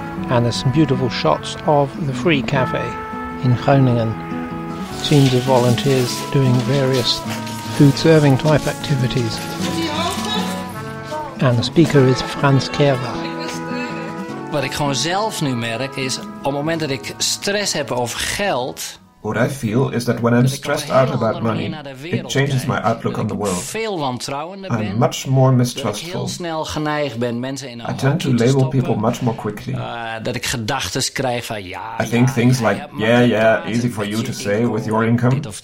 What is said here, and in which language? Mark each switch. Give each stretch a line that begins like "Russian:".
English: And there's some beautiful shots of the Free Cafe in Groningen. Teams of volunteers doing various food serving type activities. And the speaker is Frans Kerva.
Dutch: Wat ik gewoon zelf nu merk is, op het moment dat ik stress heb over geld,
English: What I feel is that when I'm stressed out about money, it changes my outlook on the world. I'm much more mistrustful. I tend to label people much more quickly. I think things like, yeah, yeah, easy for you to say with your income.